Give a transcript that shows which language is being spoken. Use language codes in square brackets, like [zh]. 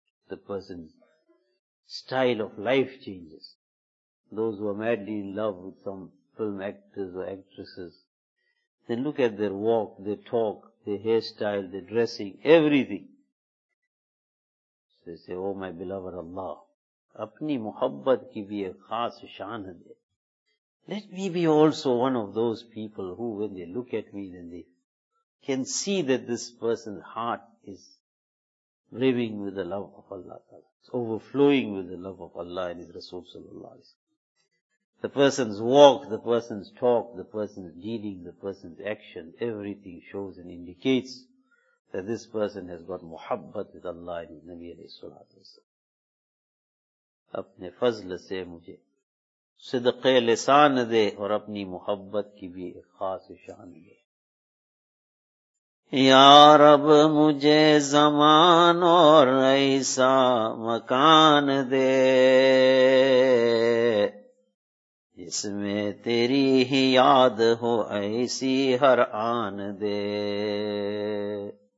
[en] The person's style of life changes. Those who are madly in love with some film actors or actresses, then look at their walk, their talk, their hairstyle, their dressing, everything. So they say, Oh my beloved Allah, [ur] اپنی محبت کی بھی ایک خاص شان دے. [en] Let me be also one of those people who, when they look at me, then they can see that this person's heart is brimming with the love of Allah Ta'ala. It's overflowing with the love of Allah and His Rasul Sallallahu Alaihi Wasallam. The person's walk, the person's talk, the person's dealing, the person's action, everything shows and indicates that this person has got muhabbat with Allah and His Nabi Alaihi Sallallahu Alaihi Wasallam. [ur] اپنے فضل سے مجھے صدق لسان دے اور اپنی محبت کی بھی ایک خاص شان دے. یا رب مجھے زمان اور ایسا مکان دے جس میں تیری ہی یاد ہو ایسی ہر آن دے.